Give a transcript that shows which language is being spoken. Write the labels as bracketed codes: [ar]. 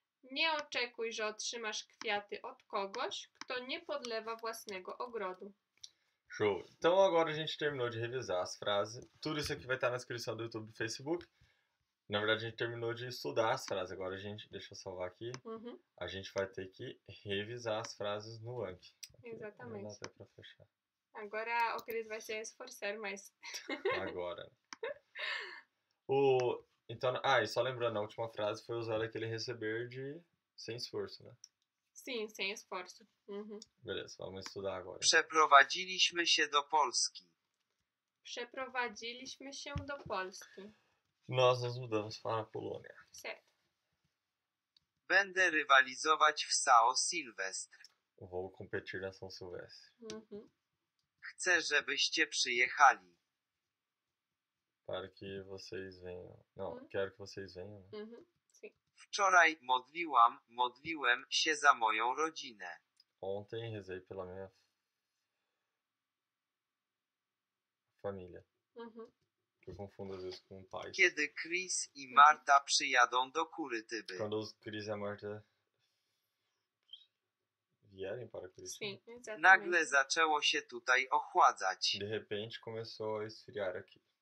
[pl] Nie oczekuj, że otrzymasz kwiaty od kogoś, kto nie podlewa własnego ogrodu. [pt] Show. Então agora a gente terminou de revisar as frases. Tudo isso aqui vai estar na descrição do YouTube e Facebook. Na verdade, a gente terminou de estudar as frases. Agora a gente... Deixa eu salvar aqui. Uhum. A gente vai ter que revisar as frases no Anki. Aqui, exatamente. Não dá até pra fechar. Agora o Cris vai se esforçar mais. Agora. Então... Ah, e só lembrando, a última frase foi usar aquele receber de... Sem esforço, né? Sim, sem esforço. Uhum. Beleza, vamos estudar agora. [pl] Przeprowadziliśmy się do Polski. Przeprowadziliśmy się do Polski. [pt] Nós nos mudamos para a Polônia. Certo. [pl] Będę rywalizować w São Silvestre. [pt] Vou competir na São Silvestre. Uhum. [pl] Chcę, żebyście przyjechali. [pt] Para que vocês venham. Não, quero que vocês venham. Uhum. Sim. [pl] Wczoraj modliłem się za moją rodzinę. [pt] Ontem rezei pela minha família. Uhum. Eu confundo às vezes com pais. [pl] Kiedy Chris i Marta przyjadą do Curitiby. [pt] Quando Chris e Marta vierem para Curitiba. Sim, exatamente. [pl] Nagle zaczęło się tutaj ochładzać. [pt] De repente começou a esfriar aqui.